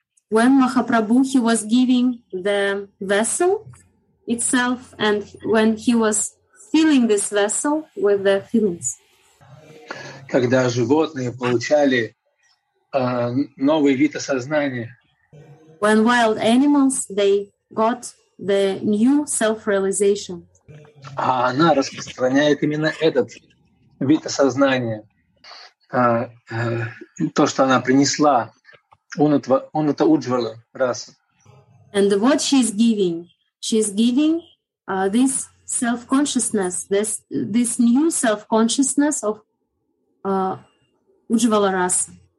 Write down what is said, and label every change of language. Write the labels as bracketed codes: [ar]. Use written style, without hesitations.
[en] When Mahaprabhu he was giving the vessel itself, and when he was filling this vessel with the fillings. [ru] Когда животные получали новый вид осознания. [en] When wild animals they got the new self-realization. [ru] А она распространяет именно этот вид осознания, то, что она принесла. Унута Уджвала Раса. [en] And what she is giving? She is giving this self-consciousness, this new self-consciousness of Уджвала Раса.